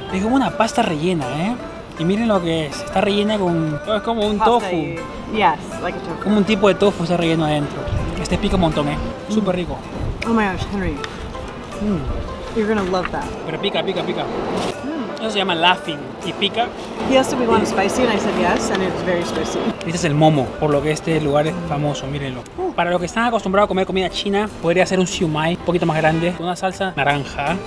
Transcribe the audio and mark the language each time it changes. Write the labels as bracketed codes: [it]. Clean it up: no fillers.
[es] Es como una pasta rellena, ¿eh? Y miren lo que es, está rellena con... Es como un pasta tofu. [en] Yes, like a tofu. [es] Como un tipo de tofu está relleno adentro. Este pica un montón, ¿eh? Súper rico. [en] Oh my gosh, Henry. You're gonna love that. [es] Pero pica, pica, pica. Eso se llama laughing y pica. [en] He asked if we wanted spicy and I said yes and it's very spicy. [es] Este es el momo, por lo que este lugar es famoso, mírenlo. Para los que están acostumbrados a comer comida china, podría ser un siumai un poquito más grande, una salsa naranja.